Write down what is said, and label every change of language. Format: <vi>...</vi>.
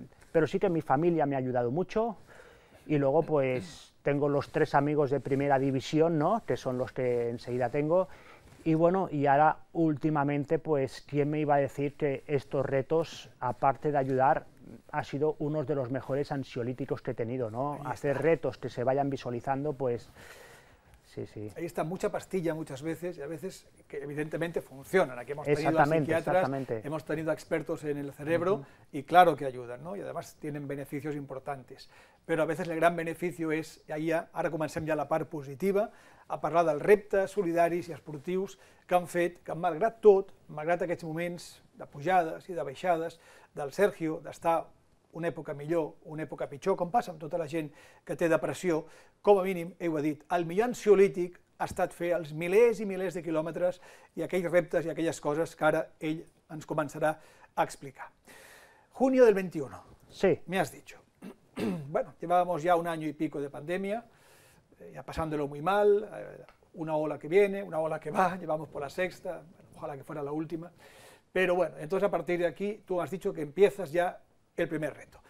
<es>pero sí que mi familia me ha ayudado mucho, y luego, pues, tengo los tres amigos de primera división, ¿no?, que son los que enseguida tengo, y bueno, y ahora, últimamente, pues, ¿quién me iba a decir que estos retos, aparte de ayudar, ha sido uno de los mejores ansiolíticos que he tenido, ¿no? Hacer retos que se vayan visualizando, pues, sí, sí. Ahí está mucha pastilla muchas veces, y a veces, que evidentemente funcionan, aquí hemos tenido exactamente, a psiquiatras, exactamente. Hemos tenido expertos en el cerebro, y claro que ayudan, ¿no?, y además tienen beneficios importantes. Pero a veces el gran beneficio es, ahí ya,</es> <ca>ara comencem ja la part positiva, a parlar dels reptes solidaris i esportius que han fet, que malgrat tot, malgrat aquests moments de pujades i de baixades, del Sergio, d'estar una època millor, una època pitjor, com passa amb tota la gent que té depressió, com a mínim, heu dit, el millor ansiolític ha estat fer els milers i milers de quilòmetres i aquells reptes i aquelles coses que ara ell ens començarà a explicar.</ca> <es>Junio del 21, sí. Me has dicho. Bueno, llevábamos ya un año y pico de pandemia, ya pasándolo muy mal, una ola que viene, una ola que va, llevamos por la sexta, bueno, ojalá que fuera la última, pero bueno, entonces a partir de aquí tú has dicho que empiezas ya el primer reto.</es>